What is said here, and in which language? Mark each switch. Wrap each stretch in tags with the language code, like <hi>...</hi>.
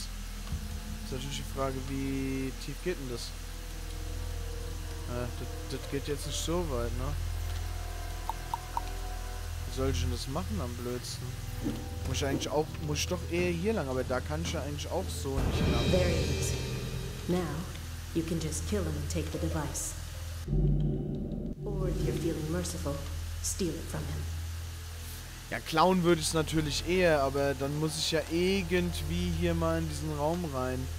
<de>Ist natürlich die Frage, wie tief geht denn das? Das geht jetzt nicht so weit, ne? Wie soll ich denn das machen am blödsten? Muss ich eigentlich auch, muss ich doch eher hier lang, aber da kann ich ja eigentlich auch so nicht lang.</de> <en>Very easy. Now, you can just kill him and take the device. Or if you're feeling merciful, steal it from him.</en> <de>Ja, klauen würde ich es natürlich eher, aber dann muss ich ja irgendwie hier mal in diesen Raum rein.</de>